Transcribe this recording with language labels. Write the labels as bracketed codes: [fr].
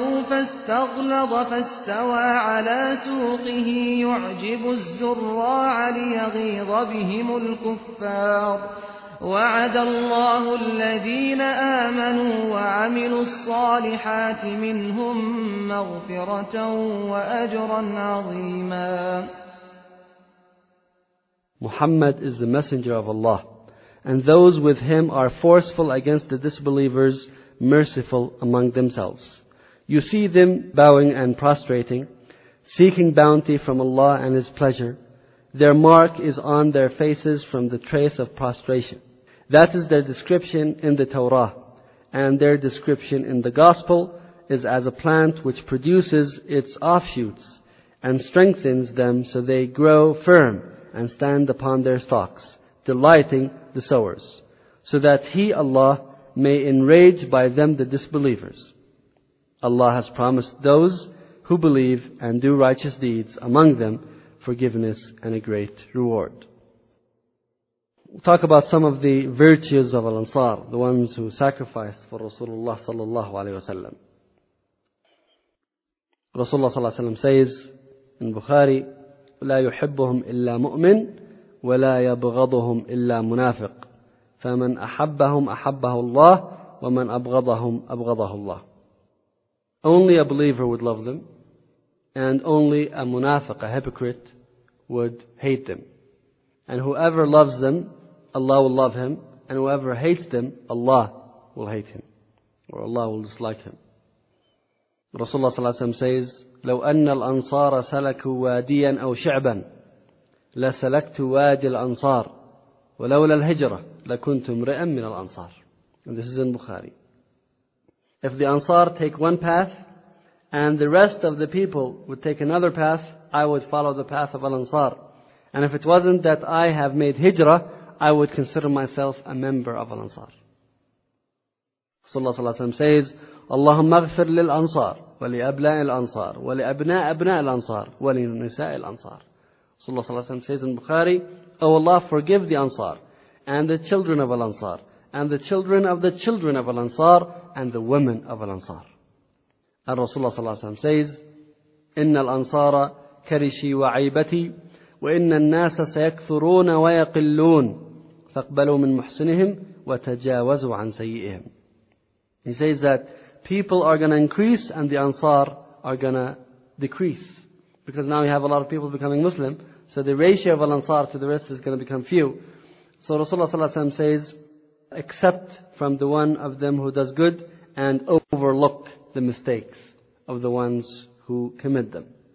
[ar] فاستغلظ فاستوى على سوقه يعجب الزراع ليغيظ بهم الكفار وعد الله الذين آمنوا وعملوا الصالحات منهم مغفرة وأجرا عظيما. [en] Muhammad is the messenger of Allah, and those with him are forceful against the disbelievers, merciful among themselves. You see them bowing and prostrating, seeking bounty from Allah and His pleasure. Their mark is on their faces from the trace of prostration. That is their description in the Torah, and their description in the Gospel is as a plant which produces its offshoots and strengthens them so they grow firm and stand upon their stalks, delighting the sowers, so that He, Allah, may enrage by them the disbelievers. Allah has promised those who believe and do righteous deeds among them forgiveness and a great reward. We'll talk about some of the virtues of Al-Ansar, the ones who sacrificed for Rasulullah sallallahu alayhi wa sallam. Rasulullah sallallahu alayhi wa sallam says in Bukhari, [ar] لا يحبهم إلا مؤمن ولا يبغضهم إلا منافق فمن أحبهم أحبه الله ومن أبغضهم أبغضه الله. [en] Only a believer would love them and only a munafiq, a hypocrite, would hate them. And whoever loves them, Allah will love him. And whoever hates them, Allah will hate him. Or Allah will dislike him. Rasulullah sallallahu alayhi wa sallam says, [ar] لو أن الأنصار سلكوا واديا أو شعبا لسلكت وادي الأنصار ولولا الهجرة لكنت امرئا من الأنصار. [en] And this is in Bukhari. If the Ansar take one path and the rest of the people would take another path, I would follow the path of Al-Ansar. And if it wasn't that I have made hijrah, I would consider myself a member of Al-Ansar. Rasulullah sallallahu alayhi wa sallam says, [ar] Allahumma ghafir lil-Ansar, ولأبناء الأنصار ولأبناء أبناء الأنصار ولنساء الأنصار. صلى الله عليه وسلم سيدنا البخاري, [en] oh Allah forgive the Ansar and the children of Al-Ansar and the children of the children of Al-Ansar and the women of Al-Ansar. And Rasulullah [ar] صلى الله عليه وسلم [en] says, [ar] إن الأنصار كرشي وعيبتي وإن الناس سيكثرون ويقلون فاقبلوا من محسنهم وتجاوزوا عن سيئهم. [en] He says that people are going to increase and the Ansar are going to decrease. Because now we have a lot of people becoming Muslim, so the ratio of Al-Ansar to the rest is going to become few. So Rasulullah ﷺ says, accept from the one of them who does good and overlook the mistakes of the ones who commit them.